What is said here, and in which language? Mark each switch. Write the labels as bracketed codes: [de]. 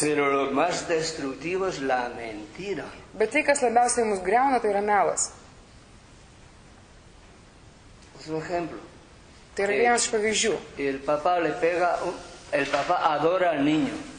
[es] Pero lo más destructivo es la mentira. [lt] Bet tai, kas labiausiai mus greuna, tai yra melas. Tai yra vienas iš pavyzdžių. [es] El papá le pega, el papá adora al niño.